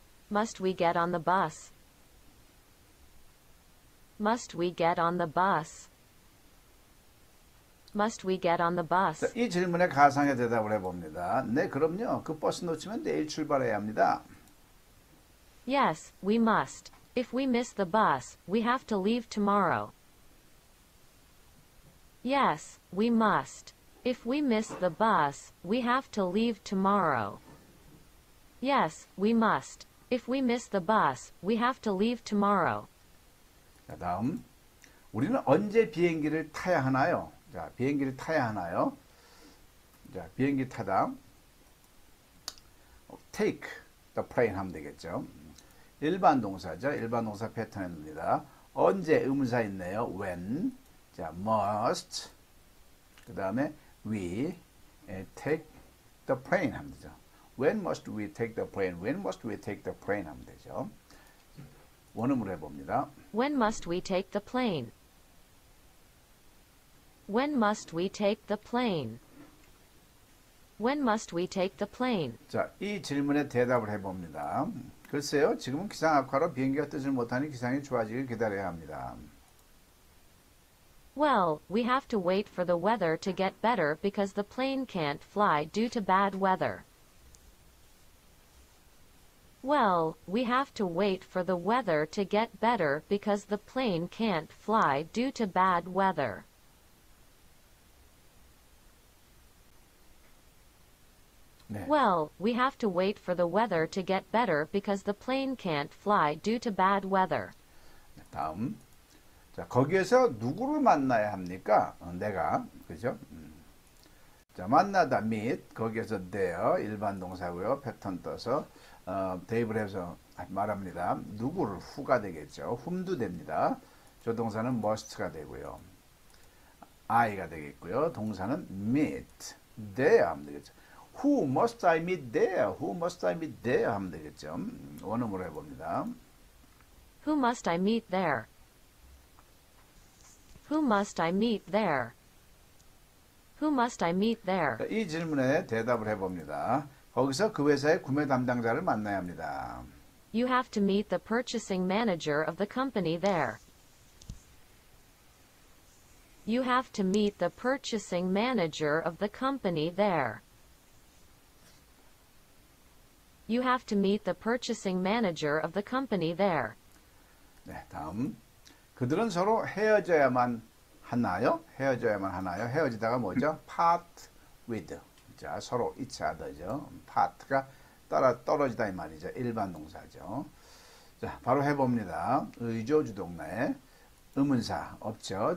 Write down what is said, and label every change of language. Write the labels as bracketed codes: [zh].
[en] Must we get on the bus? Must we get on the bus? Must we get on the bus? [ko] 이 질문에 가상의 대답을 해봅니다. 네, 그럼요. 그 버스 놓치면 내일 출발해야 합니다. [en] Yes, we must. If we miss the bus, we have to leave tomorrow. Yes, we must. If we miss the bus, we have to leave tomorrow. Yes, we must. If we miss the bus, we have to leave tomorrow. [ko] 자, 다음. 우리는 언제 비행기를 타야 하나요? 자, 비행기를 타야 하나요? 자, 비행기 타다. [en] Take the plane [ko] 하면 되겠죠. 일반 동사죠. 일반 동사 패턴입니다. 언제 의문사 있네요. When. 자, must. 그 다음에 [en] we take the plane [ko] 하면 되죠. [en] When must we take the plane? When must we take the plane? [ko] 하면 되죠. 원음으로 해봅니다. [en] When must we take the plane? When must we take the plane? When must we take the plane? [ko] 자, 이 질문에 대답을 해봅니다. 글쎄요, 지금은 기상 악화로 비행기가 뜨질 못하니 기상이 좋아지길 기다려야 합니다. [en] Well, we have to wait for the weather to get better because the plane can't fly due to bad weather. Well, we have to wait for the weather to get better because the plane can't fly due to bad weather. Well, we have to wait for the weather to get better because the plane can't fly due to bad weather. [ko] 다음. 자, 거기에서 누구를 만나야 합니까? 내가. 그죠? 자, 만나다 및 거기에서 there 일반 동사고요. 패턴 떠서 대입을 해서 말합니다. 누구를 who가 되겠죠? whom도 됩니다. 저 동사는 must가 되고요. I가 되겠고요. 동사는 [en] meet there [ko] 하면 되겠죠. [en] Who must I meet there? Who must I meet there? [ko] 하면 되겠죠. 원음으로 해봅니다. [en] Who must I meet there? Who must I meet there? Who must I meet there? [ko] 이 질문에 대답을 해봅니다. 거기서 그 회사의 구매 담당자를 만나야 합니다. [en] You have to meet the purchasing manager of the company there. You have to meet the purchasing manager of the company there. You have to meet the purchasing manager of the company there. [ko] 네, 다음. 그들은 서로 헤어져야만 하나요? 헤어져야만 하나요? 헤어지다가 뭐죠? [en] part with. [ko] 자, 서로 [en] each other [ko] 죠. part가 따라 떨어지다 이 말이죠. 일반 동사죠. 자, 바로 해봅니다. 의조 주동사에 의문사 없죠.